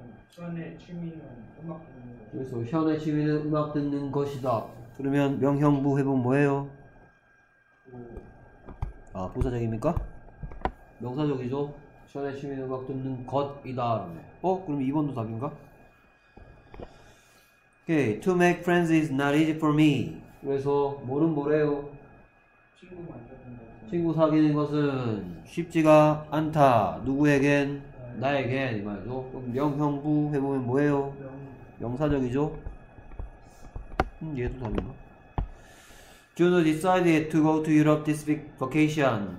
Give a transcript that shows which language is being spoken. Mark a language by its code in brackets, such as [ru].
[ko] 션의 취미는 음악 듣는 거죠. 그래서 현의 취미는 음악 듣는 것이다. 그러면 명형부 해본 뭐예요? 아, 부사적입니까? 명사적이죠. 션의 취미는 음악 듣는 것이다. 그럼 2번도 답인가? [en] Okay, to make friends is not easy for me. [ko] 그래서 뭐는 뭐래요? 친구 만드는 친구 사귀는 것은 쉽지가 않다. 누구에겐? 나에겐 이 말이죠. 그럼 명형부 해보면 뭐예요? 명사적이죠. 얘도 답이나. [en] Junu decided to go to Europe this week vacation.